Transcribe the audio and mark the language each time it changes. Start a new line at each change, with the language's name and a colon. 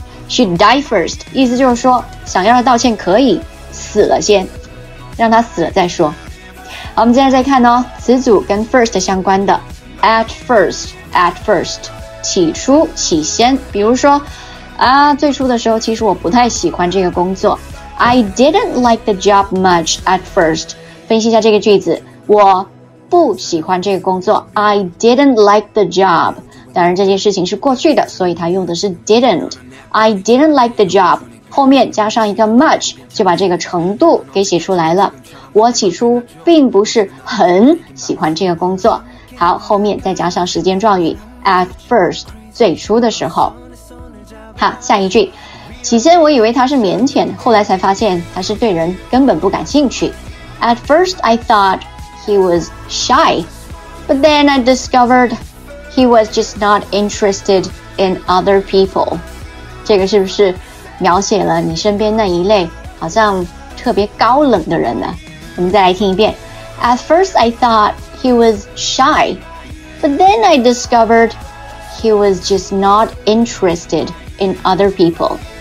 English: She'd die first,
Chinese: 意思就是说想要她道歉可以死了先，让她死了再说。好，我们接下来再看哦，词组跟 first 相关的 ,at first,At first, 起初、起先。比如说，啊，最初的时候其实我不太喜欢这个工作。
English: I didn't like the job much at first.
Chinese: 分析一下这个句子，我不喜欢这个工作。
English: I didn't like the job.
Chinese: 当然这件事情是过去的，所以它用的是 didn't.
English: I didn't like the job.
Chinese: 后面加上一个 much, 就把这个程度给写出来了。我起初并不是很喜欢这个工作。好，后面再加上时间状语 at first, 最初的时候。好，下一句，起先我以为他是腼腆，后来才发现他是对人根本不感兴趣。
English: At first I thought he was shy, but then I discovered he was just not interested in other people.
Chinese: 这个是不是描写了你身边那一类好像特别高冷的人呢？我们再来听一遍。
English: At first I thoughtHe was shy, but then I discovered he was just not interested in other people.